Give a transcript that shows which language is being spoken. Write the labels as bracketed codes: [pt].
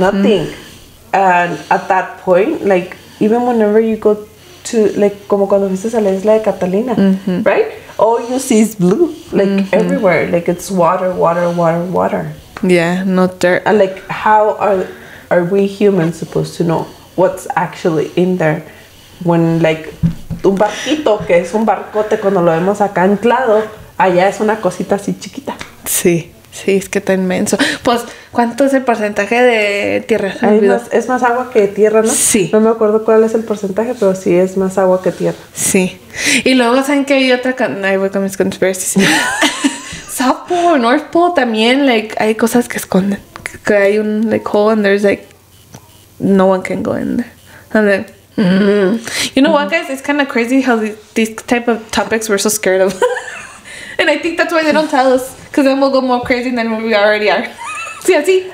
[en] nothing. And at that point, like, even whenever you go to, like, [es] como cuando viste a la isla de Catalina, mm-hmm. [en] right? All you see is blue, like, mm-hmm. everywhere. Like, it's water, water, water, water. Yeah, not dirt. And, like, how are we humans supposed to know what's actually in there when, like... [es] Un barquito, que es un barcote, cuando lo vemos acá anclado, allá es una cosita así chiquita. Sí, sí, es que está inmenso. Pues, ¿cuánto es el porcentaje de tierra? Es más agua que tierra, ¿no? Sí. No me acuerdo cuál es el porcentaje, pero sí es más agua que tierra. Sí. Y luego, ¿saben que hay otra? Ahí voy con mis conspiracies. South Pole, North Pole también, like, hay cosas que esconden. Que hay un, [en] like, hole and there's, like, no one can go in there. And then, you know what, guys? It's kind of crazy how these type of topics we're so scared of. And I think that's why they don't tell us. Because then we'll go more crazy than we already are. [es] See, así.